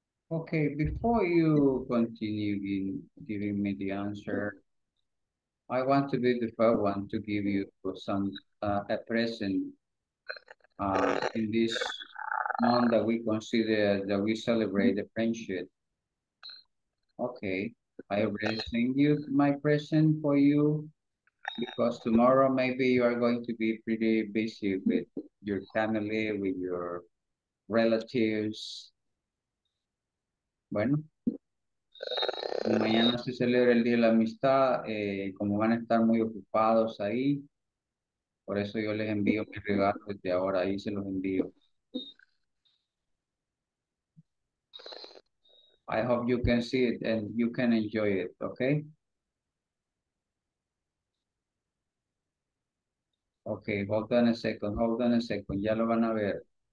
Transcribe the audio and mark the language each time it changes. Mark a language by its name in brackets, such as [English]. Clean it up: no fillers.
[English] Okay, before you continue giving me the answer, I want to be the first one to give you some a present in this month that we consider that we celebrate the friendship. Okay, I already sent you my present for you. because tomorrow maybe you are going to be pretty busy with your family, with your relatives. [Spanish] Bueno, mañana se celebra el Día de la Amistad, como van a estar muy ocupados ahí, por eso yo les envío mi regalo desde ahora, ahí se los envío. [English] I hope you can see it and you can enjoy it, okay? Okay, hold on a second, hold on a second, [Spanish] ya lo van a ver.